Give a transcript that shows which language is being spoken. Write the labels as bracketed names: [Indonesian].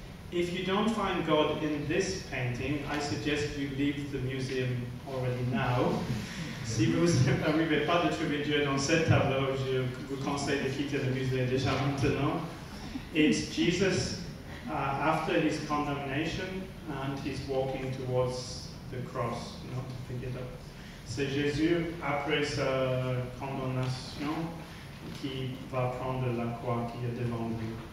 [English] If you don't find God in this painting, I suggest you leave the museum already now. [French] Si vous n'arrivez pas à trouver Dieu dans ce tableau, je vous conseille de quitter le musée déjà maintenant. [English] It's Jesus after his condemnation and he's walking towards the cross, not to pick it up. [French] C'est Jésus après sa condamnation qui va prendre la croix qui est devant lui.